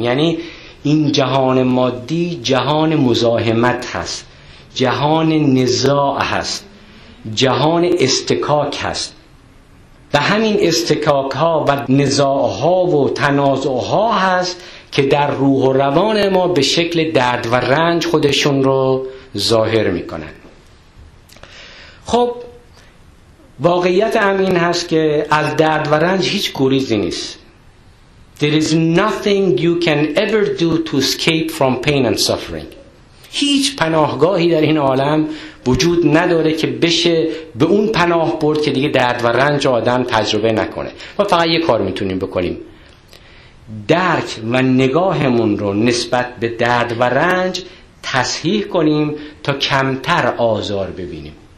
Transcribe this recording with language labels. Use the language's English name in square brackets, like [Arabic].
[Persian] یعنی این جهان مادی جهان مزاحمت هست، جهان نزاع هست، جهان استکاک هست، و همین استکاک ها و نزاع ها و تنازع ها هست که در روح و روان ما به شکل درد و رنج خودشون رو ظاهر میکنن. خب واقعیت هم این هست که از درد و رنج هیچ گریزی نیست. [English] There is nothing you can ever do to escape from pain and suffering. [Persian] هیچ پناهگاهی در این عالم وجود نداره که بشه به اون پناه برد که دیگه درد و رنج آدم تجربه نکنه. ما فقط یه کار میتونیم بکنیم، درک و نگاهمون رو نسبت به درد و رنج تصحیح کنیم تا کمتر آزار ببینیم.